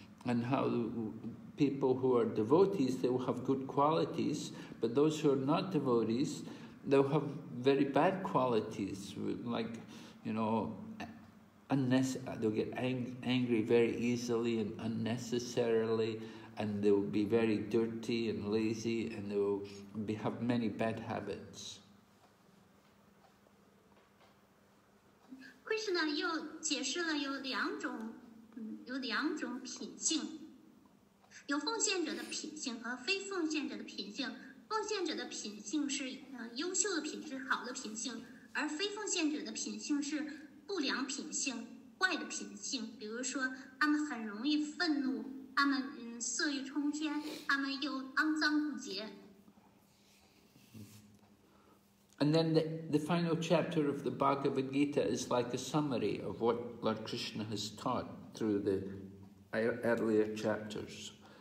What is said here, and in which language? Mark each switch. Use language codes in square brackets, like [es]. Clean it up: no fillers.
[en] And how people who are devotees, they will have good qualities, but those who are not devotees, they'll have very bad qualities, like, you know, they'll get angry very easily and unnecessarily. And they will be very dirty and lazy, and they will have many bad habits. [zh] Krishna 又解释了有两种品性，有奉献者的品性和非奉献者的品性。奉献者的品性是优秀的品质、好的品性，而非奉献者的品性是不良品性、坏的品性。比如说，他们很容易愤怒。 [en] And then the final chapter of the Bhagavad Gita is like a summary of what Lord Krishna has taught through the earlier chapters.